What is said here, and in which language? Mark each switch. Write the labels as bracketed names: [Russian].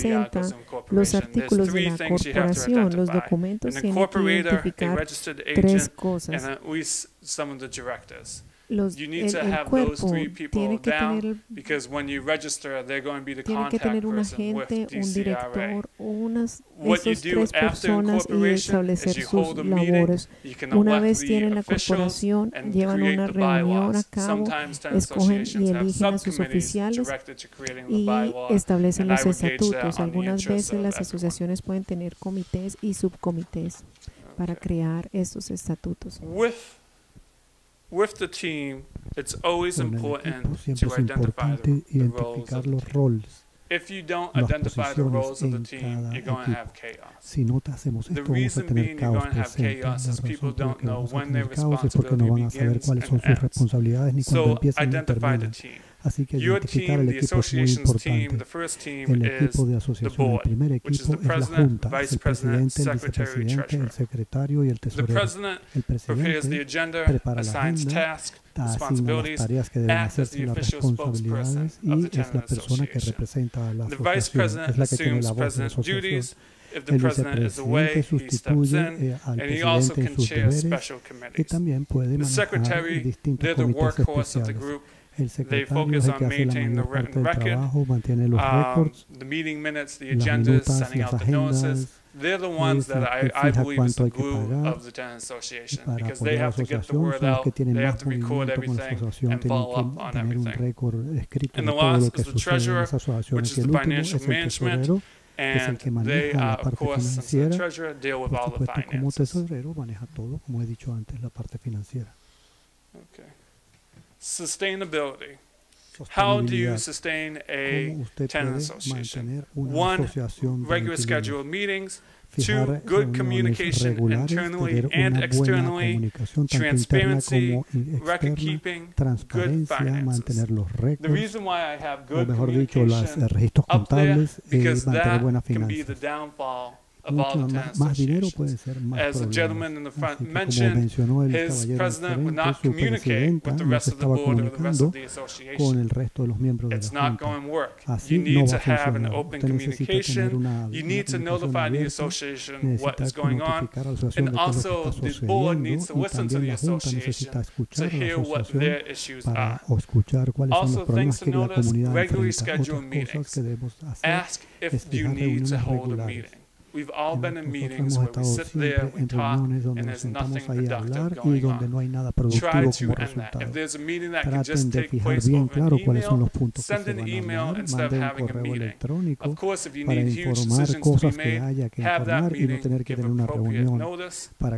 [Spanish] presenta los artículos de la corporación, los documentos tienen que identificar tres cosas. [English] And at least some of the directors. You need to have those three people down, because when you register, they're going to be the contact person with DCRA. What you do after incorporation is you hold a meeting, you can elect the officials and create the bylaws. Sometimes ten associations have subcommittees directed to creating the bylaws, and I would gauge that on the interest of [Spanish] las asociaciones pueden tener comités y subcomités para crear estos estatutos. [English] With the team, it's always important to identify the roles of the team. If you don't identify the roles of the team, you're going to have chaos. The reason being you're going to have chaos is people don't know when their responsibility begins and ends. So identify the team. [Spanish] Así que identificar el equipo es muy importante. El equipo de asociación, el primer equipo es la junta, es el presidente, el vicepresidente, el secretario y el tesorero. El presidente prepara la agenda, asigna las tareas que deben hacerse, las responsabilidades, y es la persona que representa a la asociación, es la que tiene la voz de la asociación. El vicepresidente sustituye al presidente en sus deberes y también puede manejar distintos comités especiales. El secretario es el que hace la mayor parte del trabajo, mantiene los récords, las minutas, las agendas. [English] They're the ones that I believe is the glue of the tenant association, because they have to get the word out, they have to record everything and follow up on everything. And the last is the treasurer, which is the financial management. And they, of course, as the treasurer, deal with all the finances. [Spanish] Como he dicho antes, la parte financiera. [English] Okay. Sustainability. How do you sustain a tenant association? One, regular scheduled meetings. Two, good communication internally and externally. Transparency, record keeping, good finances. The reason why I have good communication up there, because that can be the downfall. [Spanish] Más dinero puede ser más problemas. Como mencionó el caballero diferente, su presidenta no se estaba comunicando con el resto de los miembros de la junta. Así no va a funcionar. Usted necesita tener una comunicación abierta, necesita notificar a la asociación de lo que está sucediendo, y también la junta necesita escuchar a la asociación para escuchar cuáles son los problemas que la comunidad enfrenta. Otras cosas que debemos hacer es fijar reuniones regulares. [English] We've all been in meetings where we sit there, we talk, and there's nothing productive going on. Try to end that. If there's a meeting that can just take place over an email, send an email instead of having a meeting. Of course, if you need huge decisions to be made, have that meeting, give appropriate notice.